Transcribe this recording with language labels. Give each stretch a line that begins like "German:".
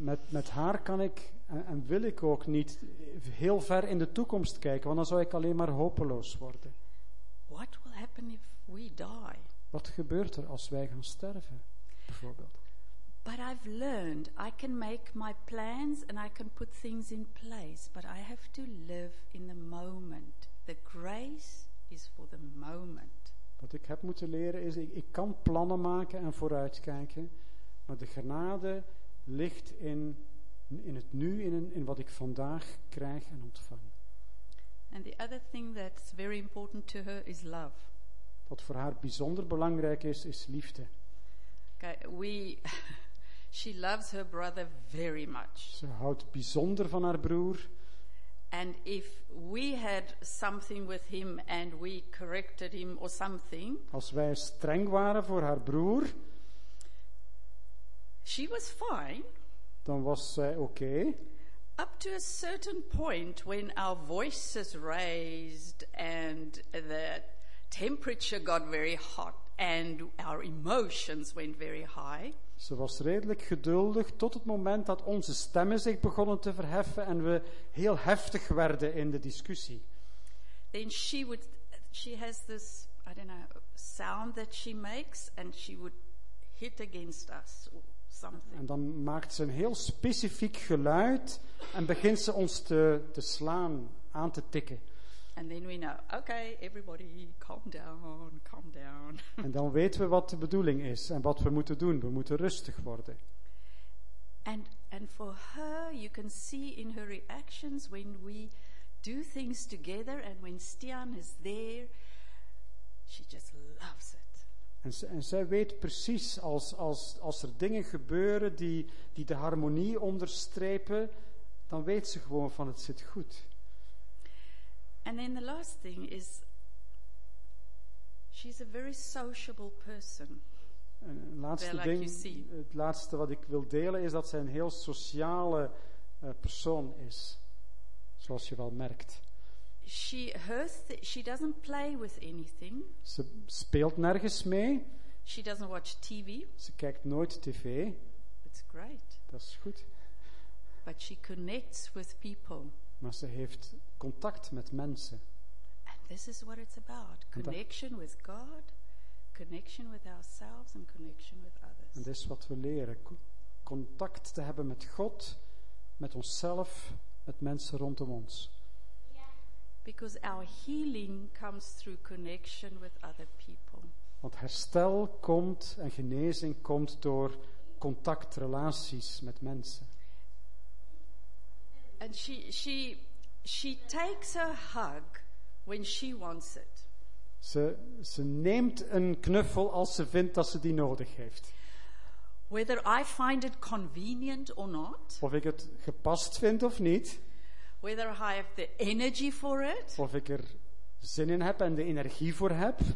Dutch: Met haar kan ik en wil ik ook niet heel ver in de toekomst kijken, want dan zou ik alleen maar hopeloos worden.
English: What will happen if we die?
Dutch: Wat gebeurt er als wij gaan sterven, bijvoorbeeld?
English: But I've learned I can make my plans and I can put things in place, but I have to live in the moment. The grace is for the moment.
Dutch: Wat ik heb moeten leren is, ik kan plannen maken en vooruitkijken, maar de genade ligt in het nu, in wat ik vandaag krijg en ontvang.
English: And the other thing that's very important to her is love.
Dutch: Wat voor haar bijzonder belangrijk is, is liefde.
English: Okay, she loves her brother very much.
Dutch: Ze houdt bijzonder van haar broer.
English: And if we had something with him and we corrected him or something,
Dutch: als wij streng waren voor haar broer,
English: she was fine,
Dutch: dan was zij oké.
English: Up to a certain point when our voices raised and the temperature got very hot and our emotions went very high.
Dutch: Ze was redelijk geduldig tot het moment dat onze stemmen zich begonnen te verheffen en we heel heftig werden in de discussie.
English: Then she has this, I don't know, sound that she makes and she would hit against us or something.
Dutch: En dan maakt ze een heel specifiek geluid en begint ze ons te slaan, aan te tikken.
English: And then we know, okay, everybody, calm down, calm down.
Dutch: En dan weten we wat de bedoeling is en wat we moeten doen. We moeten rustig worden.
English: And for her, you can see in her reactions when we do things together and when Stian is there, she just loves it.
Dutch: En zij weet precies als er dingen gebeuren die de harmonie onderstrepen, dan weet ze gewoon van het zit goed.
English: And then the last thing is, she's a very sociable person.
Dutch: Het laatste wat ik wil delen is dat zij een heel sociale persoon is, zoals je wel merkt.
English: She doesn't play with anything.
Dutch: Ze speelt nergens mee.
English: She doesn't watch TV.
Dutch: Ze kijkt nooit tv.
English: It's great.
Dutch: Dat is goed.
English: But she connects with people.
Dutch: Maar ze heeft contact met mensen.
English: And this is what it's about. Connection with God, connection with ourselves and connection with others.
Dutch: En dit is wat we leren. Contact te hebben met God, met onszelf, met mensen rondom ons.
English: Yeah. Because our healing comes through connection with other people.
Dutch: Want herstel komt en genezing komt door contact, relaties met mensen.
English: And she takes a hug when she wants it.
Dutch: Ze neemt een knuffel als ze vindt dat ze die nodig heeft.
English: Whether I find it convenient or not.
Dutch: Of ik het gepast vind of niet.
English: Whether I have the energy for it.
Dutch: Of ik er zin in heb en de energie voor heb.